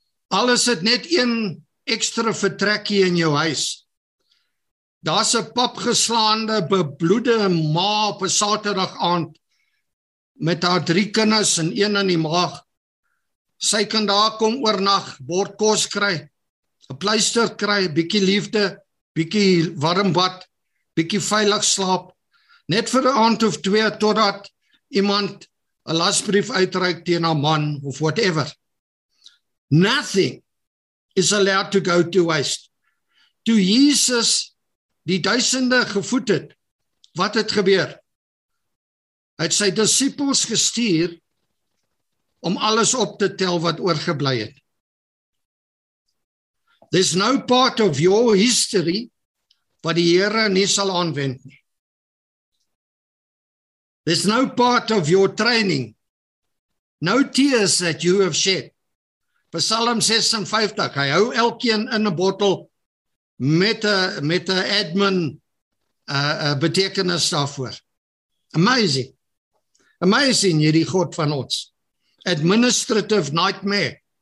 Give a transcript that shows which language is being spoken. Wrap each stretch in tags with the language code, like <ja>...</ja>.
<af>Al is het net een ekstra vertrekkie in jou huis. Daar's 'n papgeslaande, bebloede ma op 'n Saterdag aand met haar 3 kinders en 1 in die maag. Sy kan daar kom oornag, bord kos kry, 'n pleister kry, bietjie liefde, bietjie warm bad, bietjie veilig slaap. Net vir 'n aand of 2 totdat iemand 'n lasbrief uitreik teen haar man of whatever.</af> <en>Nothing is allowed to go to waste.</en> <af>Toe Jesus die duisende gevoed het, wat het gebeur? Hy het sy disippels gestuur om alles op te tel wat oorgebly het.</af> <en>There's no part of your history</en> <af>wat die Here nie sal aanwend nie.</af> <en>There's no part of your training, no tears that you have shed,</en> <af>Psalm 56, hy hou elkeen in 'n bottel met 'n admin betekenis daarvoor.</af> <en>Amazing. Amazing,</en> <af>hierdie God van ons.</af> <en>Administrative nightmare.</en>